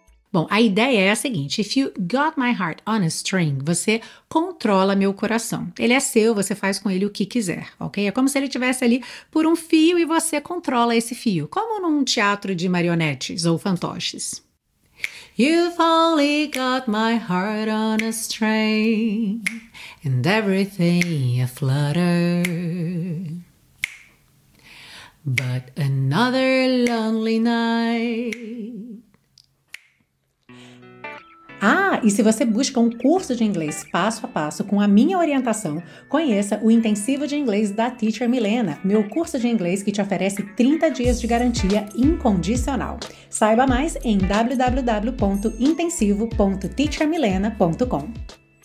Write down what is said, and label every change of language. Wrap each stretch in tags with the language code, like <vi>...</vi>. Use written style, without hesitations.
<pt>Bom, a ideia é a seguinte:</pt> <en>if you got my heart on a string,</en> <pt>você controla meu coração. Ele é seu, você faz com ele o que quiser, ok? É como se ele estivesse ali por um fio e você controla esse fio, como num teatro de marionetes ou fantoches.</pt> <en>You've only got my heart on a string and everything a flutter. But another lonely night.</en> <pt>Ah, e se você busca um curso de inglês passo a passo com a minha orientação, conheça o Intensivo de Inglês da Teacher Milena, meu curso de inglês que te oferece 30 dias de garantia incondicional. Saiba mais em www.intensivo.teachermilena.com.</pt>